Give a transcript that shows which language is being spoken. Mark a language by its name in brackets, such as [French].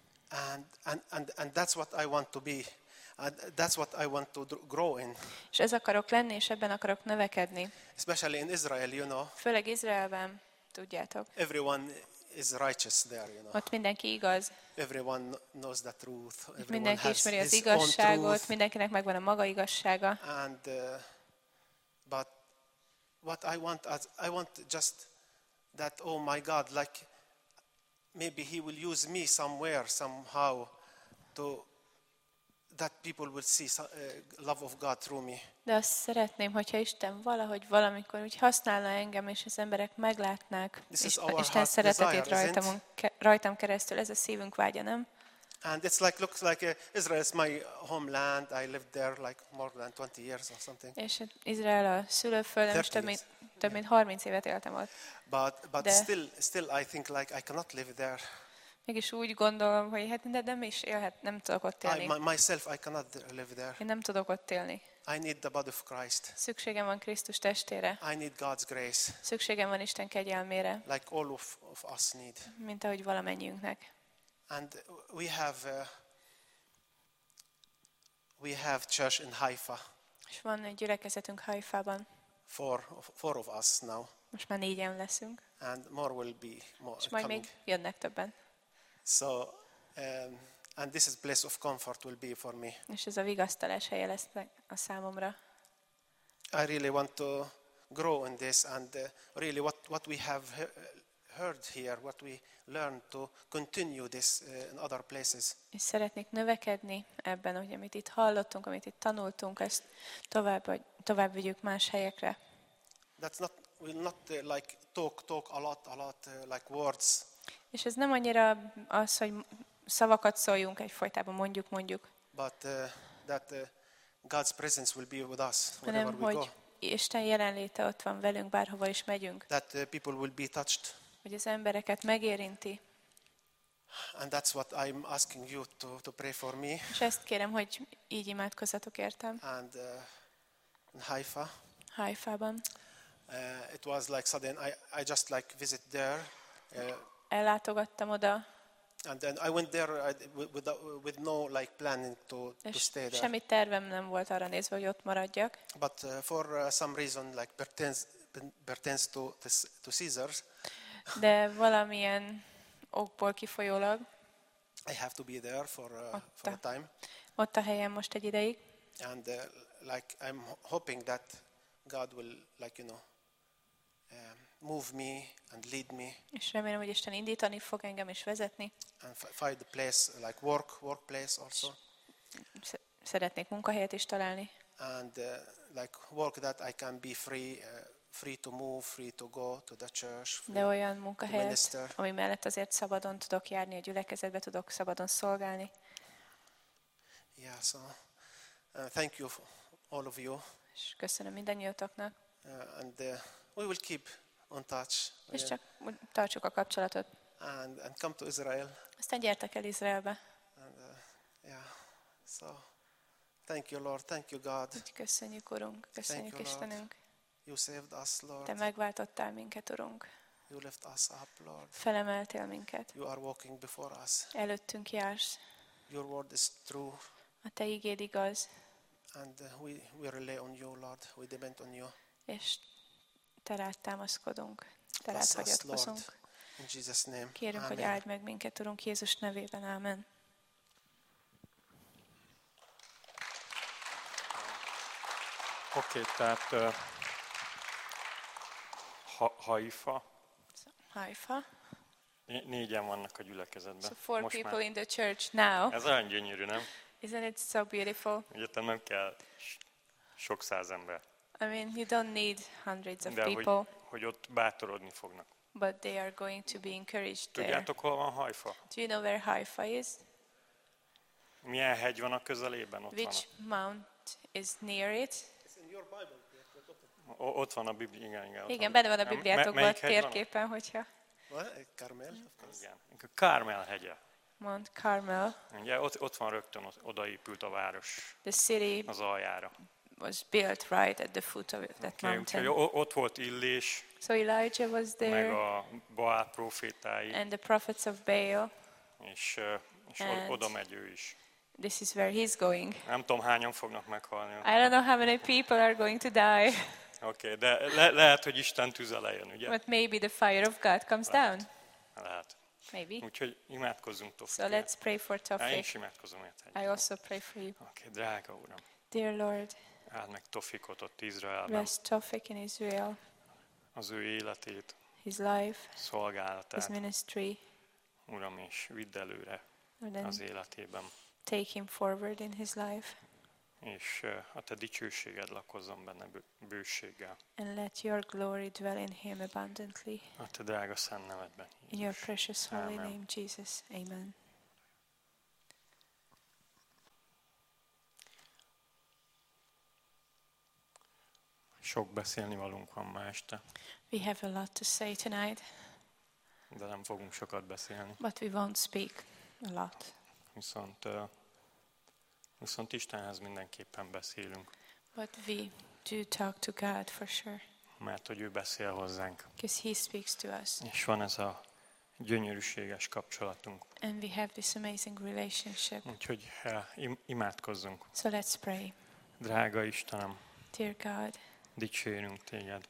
[English] And that's what I want to be. That's what I want to grow in. [Hungarian] És ez akarok lenni, és ebben akarok növekedni. [English] Especially in Israel, you know. [Hungarian] Főleg Izraelben, tudjátok. [English] Everyone is righteous there, you know. [Hungarian] Ott mindenki igaz. [English] Everyone knows the truth. Everyone [Hungarian] mindenki ismeri az igazságot, mindenkinek megvan a maga igazsága. [English] And but what I want as I want just that oh my God, like maybe he will use me somewhere somehow to that people will see love of God through me. [Hungarian] De azt szeretném, hogyha Isten valahogy valamikor úgy használna engem, és az emberek meglátnák Isten szeretetét rajtam keresztül. Ez a szívünk vágya, nem? [English] And it's like looks like Israel is my homeland. I lived there like more than 20 years or something. [Hungarian] És Izrael a szülőföldem, és több mint 30 évet éltem ott. [English] But still I think like I cannot live there. [Hungarian] Mégis úgy gondolom, hogy hát nem is élhet, nem tudok ott élni. [English] Myself I cannot live there. [Hungarian] Én nem tudok ott élni. [English] I need the body of Christ. [Hungarian] Szükségem van Krisztus testére. [English] I need God's grace. [Hungarian] Szükségem van Isten kegyelmére. [English] Like all of us need. [Hungarian] Mint ahogy valamennyiünknek. [English] And we have church in Haifa. [Hungarian] És van egy gyülekezetünk Haifában. [English] Four of us now. [Hungarian] Most már négyen leszünk. [English] And more will be more. [Hungarian] És majd még jönnek többen. [English] So and this is place of comfort will be for me. [Hungarian] És ez a vigasztalás helye lesz a számomra. [English] I really want to grow in this and really what we have heard here, what we learned to continue this in other places. [Hungarian] És szeretnék növekedni ebben, hogy amit itt hallottunk, amit itt tanultunk, ezt tovább vigyük más helyekre. [English] That's not we'll not like talk a lot like words. [Hungarian] És ez nem annyira az, hogy szavakat szóljunk egyfolytában, mondjuk. [English] But that God's presence will be with us wherever we go. [Hungarian] Isten jelenléte ott van velünk, bárhova is megyünk. [English] That people will be touched. [Hungarian] Hogy az embereket megérinti. [English] And that's what I'm asking you to pray for me. [Hungarian] És ezt kérem, hogy így imádkozzatok értem. [English] And in Haifa. [Hungarian] Haifában. [English] It was like sudden, I just like visit there. [Hungarian] Ellátogattam oda. [English] And then I went there with no like planning to stay there. [Hungarian] Semmi tervem nem volt arra nézve, hogy ott maradjak. [English] But for some reason like pertains to Caesar. [Hungarian] De valamilyen okból kifolyólag. [English] I have to be there for a time. [Hungarian] Ott a helyen most egy ideig. [English] And like I'm hoping that God will like you know move me and lead me. [Hungarian] És remélem, hogy Isten indítani fog engem és vezetni. [English] And find the place like workplace also. [Hungarian] Szeretnék munkahelyet is találni. [English] And like work that I can be free to move, free to go to the church. [Hungarian] De olyan munkahelyet, ami mellett azért szabadon tudok járni a gyülekezetbe, tudok szabadon szolgálni. [English] Yeah, so thank you all of you. [Hungarian] És köszönöm mindannyiótoknak. [English] We will keep on touch. [Hungarian] És csak tartsuk a kapcsolatot. [English] And come to Israel. [Hungarian] Aztán gyertek el Izraelbe. [English] And yeah. So thank you Lord, thank you God. [Hungarian] Köszönjük Urunk, köszönjük Istenünk. [English] You saved us Lord. [Hungarian] Te megváltottál minket Urunk. [English] You lift us up Lord. [Hungarian] Felemeltél minket. [English] You are walking before us. [Hungarian] Előttünk jársz. [English] Your word is true. [Hungarian] A te ígéd igaz. [English] And we rely on you Lord, we depend on you. [Hungarian] És te rád támaszkodunk, te rád hagyatkozunk. Kérünk, hogy áld meg minket, Urunk, Jézus nevében. Amen. Oké, tehát Haifa. Haifa. Négyen vannak a gyülekezetben. [English] So four most people [Hungarian] már [English] in the church now. [Hungarian] Ez olyan gyönyörű, nem? [English] Isn't it so beautiful? [Hungarian] Egyetem nem kell sok száz ember. [English] I mean, you don't need hundreds of [Hungarian] de, [English] people. [Hungarian] Hogy ott bátorodni fognak. [English] But they are going to be encouraged there. [Hungarian] Tudjátok, hol van Haifa? [English] Do you know where Haifa is? [Hungarian] Milyen hegy van a közelében? Ott [English] which [Hungarian] van [English] mount is near it? It's in your Bible. [Hungarian] Ott van a Biblia. Igen, benne van a Bibliátokban térképen, hogyha. [English] Carmel? [Hungarian] Igen. Carmel hegye. [English] Mount Carmel. [Hungarian] Ugye, ott van rögtön, odaépült a város. [English] The city. [Hungarian] Az aljára. [English] Was built right at the foot of that okay, mountain. [Hungarian] Ott volt Illés. [English] So Elijah was there. [Hungarian] Meg a Baal profétái. [English] And the prophets of Baal. [Hungarian] És oda megy ő is. [English] This is where he's going. [Hungarian] Nem tudom, hányan fognak meghalni. [English] I don't know how many people are going to die. [Hungarian] Okay, de lehet, hogy Isten tüze lejön, ugye? [English] But maybe the fire of God comes down. [Hungarian] lehet. [English] Maybe. [Hungarian] Úgyhogy imádkozzunk Tofi. [English] So let's pray for Tofi. [Hungarian] Én is imádkozom érte. [English] I also pray for you. [Hungarian] Oké, drága Uram. [English] Dear Lord. [Hungarian] Áld meg Tofikot ott Izraelben. [English] Bless Tofik in Israel. [Hungarian] Az ő életét. [English] His life. [Hungarian] Szolgálatát. [English] His ministry. [Hungarian] Uram, és vidd előre az életében. [English] Take him forward in his life. [Hungarian] És a te dicsőséged lakozzon benne bőséggel. [English] And let your glory dwell in him abundantly. [Hungarian] A te drága szent nevedben. [English] In your precious holy name, Jesus. Amen. [Hungarian] Sok beszélni valunk van ma este. [English] We have a lot to say tonight. [Hungarian] De nem fogunk sokat beszélni. [English] But we won't speak a lot. [Hungarian] Viszont Istenhez mindenképpen beszélünk. [English] But we do talk to God for sure. [Hungarian] Mert hogy ő beszél hozzánk. [English] Because he speaks to us. [Hungarian] És van ez a gyönyörűséges kapcsolatunk. [English] And we have this amazing relationship. [Hungarian] Úgyhogy imádkozzunk. [English] So let's pray. [Hungarian] Drága Istenem. [English] Dear God. [Hungarian] Dicsérünk téged.